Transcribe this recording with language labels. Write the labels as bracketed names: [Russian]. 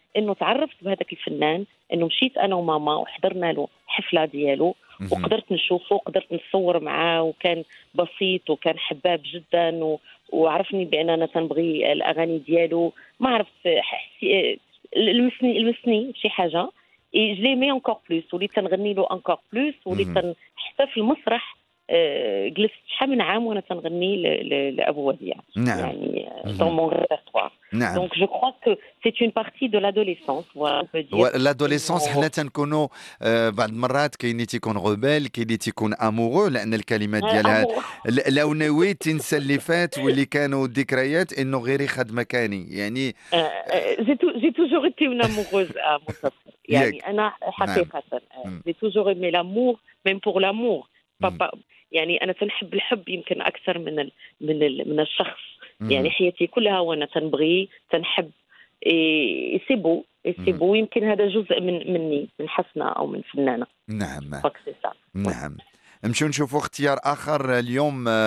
[Arabic] انه تعرفت بهذاك الفنان، انه مشيت انا وماما وحضرنا له حفله ديالو وقدرت نشوفه وقدرت نصور معاه، وكان بسيط وكان حباب جدا وعرفني بان انا تنبغي الاغاني ديالو، ما عرفت لمسني شي حاجه [French] جلي مي انكور بلوس، [Arabic] وليت نغني له انكور بلوس، وليت حتى في المسرح جلست شحال من عام وانا تنغني لابو وديع يعني [French] دون مون ريبرتوار. [Arabic] نعم. [French] Donc je crois que c'est une partie de l'adolescence. Voilà, [Arabic] l'adolescence حنا تنكونوا بعض المرات كاين اللي تيكون روبيل، كاين اللي تيكون امورو، لان الكلمات ديالها لو نويت تنسى اللي فات واللي كانوا ذكريات انه غير خد مكاني. يعني [French] j'ai toujours été une amoureuse à mon sens. [Arabic] يعني انا حقيقه [French] j'ai toujours aimé l'amour même pour l'amour. [Arabic] يعني انا تنحب الحب يمكن اكثر من الـ من الـ من الشخص. يعني حياتي كلها وانا تنبغي تنحب يسيبو يسيبو، يمكن هذا جزء من مني من حسنة او من فنانة. نعم نعم. نمشيو نشوفو اختيار اخر اليوم